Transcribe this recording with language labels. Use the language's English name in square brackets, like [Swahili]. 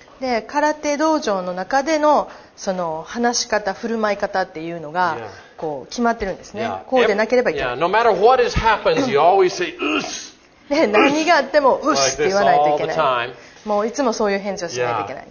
[Japanese] で、空手道場の中でのその話し方、振る舞い方っていうのがこう決まってるんですね。 [English] Yeah. [Japanese] こうでなければいけない。 [English] Yeah. No matter what has happened, you always say "Uss!" [Japanese] で、何があってもうっすって言わないといけない。 [English] Like、 [Japanese] もういつもそういう返事をしないといけない。